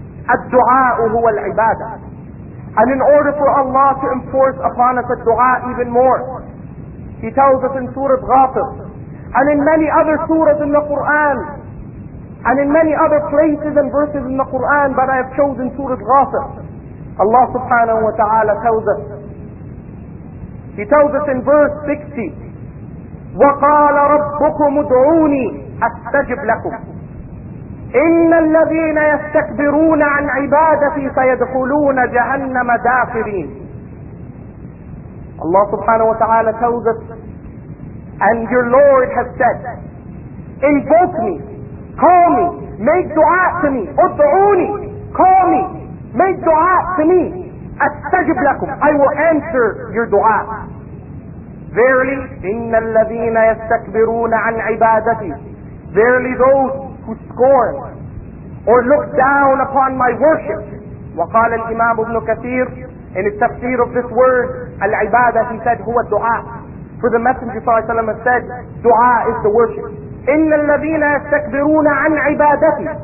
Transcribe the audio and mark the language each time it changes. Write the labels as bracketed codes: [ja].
[ar] الدُعَاء هُوَ الْعِبَادَةِ. [en] And in order for Allah to enforce upon us a dua even more, He tells us in Surah Ghafir, and in many other surahs in the Qur'an, and in many other places and verses in the Qur'an, but I have chosen Surah Ghafir. Allah subhanahu wa ta'ala tells us, He tells us in verse 60, [ar] وَقَالَ رَبُّكُمُ ادْعُونِي أَسْتَجِبْ لَكُمْ إِنَّ الَّذِينَ يَسْتَكْبِرُونَ عَنْ عِبَادَتِي سَيَدْخُلُونَ جَهَنَّمَ دَاخِرِينَ. [en] Allah subhanahu wa ta'ala tells us, and your Lord has said, invoke me, call me, make dua to me, ud'uni, call me, make dua to me, astajib lakum, I will answer your dua. [ar] Verily, إِنَّ الَّذِينَ يَسْتَكْبِرُونَ عَنْ عِبَادَتِي. [en] Verily those who scorn or look down upon my worship. [ar] وقال الإمام ابن كثير, [en] in his tafsir of this word, العبادة, he said, [ar] هو الدعاء. [en] For the Messenger صلى الله عليه وسلم has said, dua is the worship. [ar] إِنَّ الَّذِينَ يَسْتَكْبِرُونَ عَنْ عِبَادَتِي.